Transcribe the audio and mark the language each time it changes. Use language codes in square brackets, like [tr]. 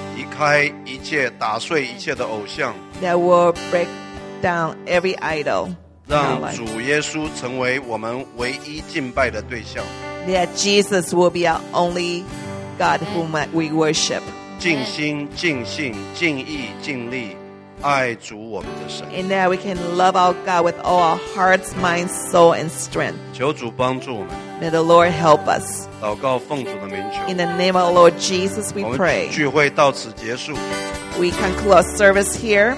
[zh] 离开一切，打碎一切的偶像。 [en] That will break down every idol. [zh] 让主耶稣成为我们唯一敬拜的对象。 [en] That Jesus will be our only God whom we worship. [zh] 尽心、尽性、尽意、尽力，爱主我们的神。 [en] And that we can love our God with all our hearts, mind, soul, and strength. [zh] 求主帮助我们。 [en] May the Lord help us. [zh] 祷告奉主的名求。 [en] In the name of Lord Jesus, we pray. [zh] 我们聚会到此结束。 [en] We conclude our service here.